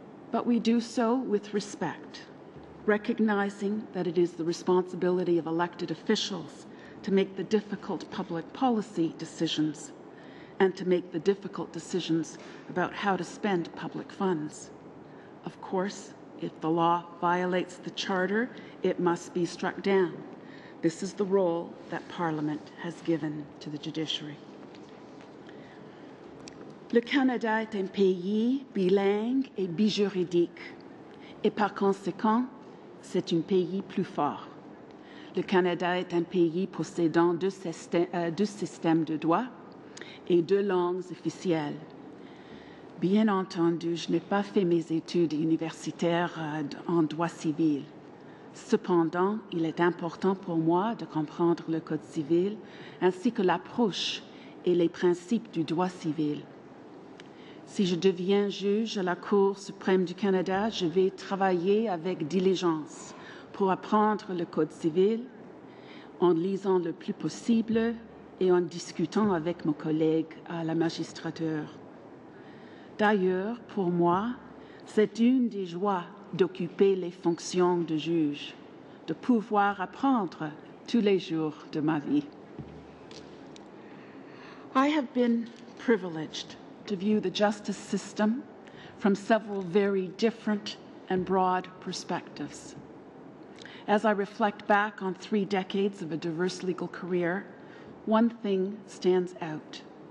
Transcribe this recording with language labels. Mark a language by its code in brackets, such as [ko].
[en] But we do so with respect, recognizing that it is the responsibility of elected officials to make the difficult public policy decisions and to make the difficult decisions about how to spend public funds. Of course, if the law violates the Charter, it must be struck down. This is the role that Parliament has given to the judiciary. [fr] Le Canada est un pays bilingue et bijuridique, et par conséquent, c'est un pays plus fort. Le Canada est un pays possédant deux systèmes de droit et deux langues officielles. Bien entendu, je n'ai pas fait mes études universitaires en droit civil. Cependant, il est important pour moi de comprendre le Code civil ainsi que l'approche et les principes du droit civil. Si je deviens juge à la Cour suprême du Canada, je vais travailler avec diligence pour apprendre le Code civil en lisant le plus possible et en discutant avec mon collègue à la magistrature. D'ailleurs, pour moi, c'est une des joies d'occuper les fonctions de juge, de pouvoir apprendre tous les jours de ma vie. [en] I have been privileged to view the justice system from several very different and broad perspectives. As I reflect back on 3 decades of a diverse legal career, one thing stands out.